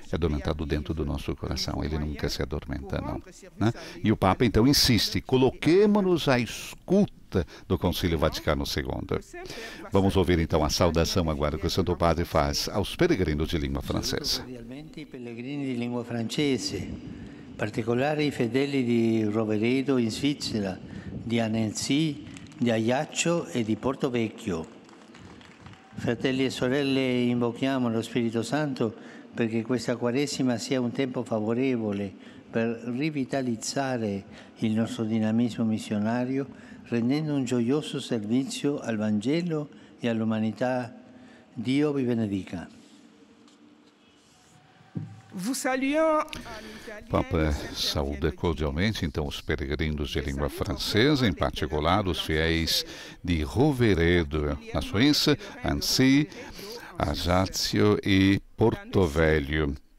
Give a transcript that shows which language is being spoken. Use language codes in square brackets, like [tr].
[pt] É adormentado dentro do nosso coração. Ele nunca se adormenta, não. Né? E o Papa, então, insiste. Coloquemo-nos à escuta do Concílio Vaticano II. Vamos ouvir, então, a saudação agora que o Santo Padre faz aos peregrinos de língua francesa. Realmente, peregrinos de língua francesa. [it] Particolare i fedeli di Rovereto in Svizzera, di Annecy, di Ajaccio e di Porto Vecchio. Fratelli e sorelle, invochiamo lo Spirito Santo perché questa Quaresima sia un tempo favorevole per rivitalizzare il nostro dinamismo missionario, rendendo un gioioso servizio al Vangelo e all'umanità. Dio vi benedica. [pt] O Papa saúda cordialmente, então, os peregrinos de língua francesa, em particular os fiéis de Rovereto, na Suíça, Annecy, Ajaccio e Porto Velho.